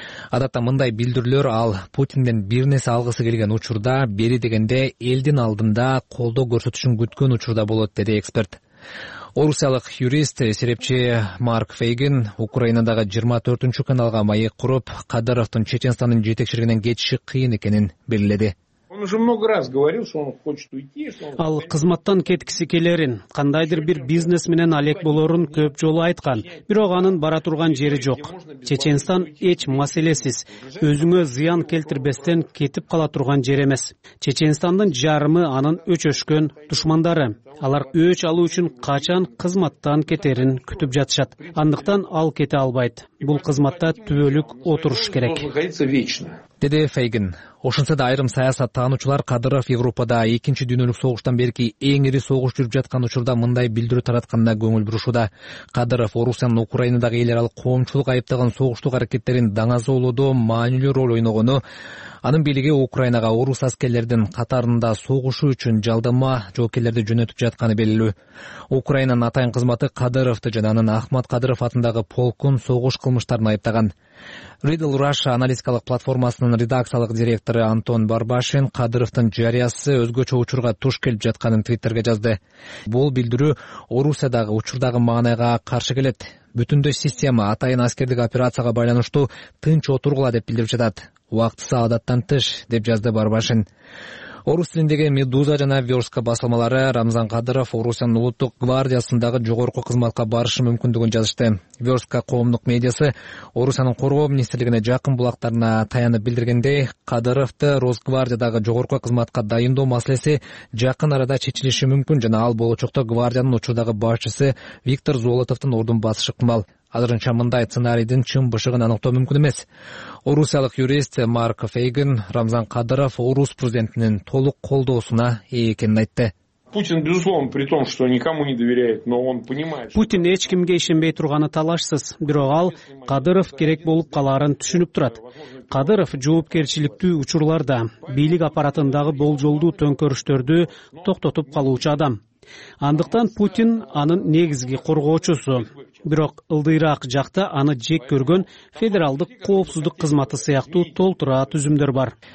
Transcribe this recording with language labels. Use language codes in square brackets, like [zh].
[ky] Адатта мындай билдирүүлөр ал Путинден бир нерсе алгысы келген учурда бери дегенде элдин алдында колдоо көрсөтүшүн күткөн учурда болот, деди эксперт. Орусиялык юрист серепчи Марк Фейгин Украинадагы 24-чү каналга маек куруп Кадыровдун Чечестандын жетекчилигинен кетиши кыйын экенин белгиледи. [ru] Он уже много раз говорил, что он хочет уйти. [ky] Ал кызматтан кеткиси келерин, кандайдыр бир бизнес менен алек болорун көп жолу айткан, бирок анын бара турган жери жок. Чеченстан эч маселесиз, өзүңө зыян келтирбестен кетип кала турган жер эмес. Чеченстандын жарымы анын өчөшкөн душмандары. Алар өч алуу үчүн качан кызматтан кетерин күтүп жатышат. Андыктан ал кете албайт. Бул кызматта түбөлүк отуруш керек. Деди Фейгин. Ошентсе да айрым саясаттануучулар Кадыров Европада экинчи дүйнөлүк согуштан берки эң ири согуш жүрүп жаткан учурда мындай билдирүү таратканына көңүл бурушууда. Кадыров Орусиянын Украинадагы эл аралык коомчулук айыптаган согуштук аракеттерин даңазоолодо маанилүү роль ойногону, анын бийлиги Украинага орус аскерлердин катарында согушу үчүн жалдама жоокерлерди жөнөтүп жатканы белгилүү. Украинанын атайын кызматы Кадыровду жана анын Ахмат Кадыров атындагы полкун согуш кылмыштарын айыптаган. Riddle Russia аналитикалык платформасынын редакциялык директору Антон Барбашин Кадыровдун жарыясы өзгөчө учурга туш келип жатканын Twitterге жазды. Бул билдирүү Орусиядагы учурдагы маанайга каршы келет. Бүтүндөй система атайын аскердик операцияга байланыштуу тынч отургула деп билдирип жатат. Уактысы адаттан тыш деп жазды Барбашин. Орус тилиндеги Медуза жана Верска басылмалары Рамзан Кадыров Орусиянын улуттук гвардиясындагы жогорку кызматка барышы мүмкүндүгүн жазышты. Верска коомдук медиасы Орусиянын коргоо министрлигине жакын булактарына таянып билдиргендей, Кадыровду Росгвардиядагы жогорку кызматка дайындоо маселеси жакын арада чечилиши мүмкүн жана ал болочокто гвардиянын учурдагы башчысы Виктор Золотовдун ордун басышы ыктымал. Азырынча мындай сценарийдин чын бышыгын аныктоо мүмкүн эмес. Орусиялык юрист Марк Фейгин Рамзан Кадыров орус президентинин толук колдоосуна ээ экенин айтты. [ru] Путин, безусловно, при том, что никому не доверяет, но он понимает, что... [ky] Путин эч кимге ишенбей турганы талашсыз, бирок ал Кадыров керек болуп калаарын түшүнүп турат. Кадыров жоопкерчиликтүү учурларда бийлик аппаратындагы болжолдуу төңкөрүштөрдү токтотуп калуучу адам. Андыктан Путин анын негизги коргоочусу. Бирок ылдыйраак жакта аны жек көргөн федералдык коопсуздук кызматы сыяктуу толтура түзүмдөр бар.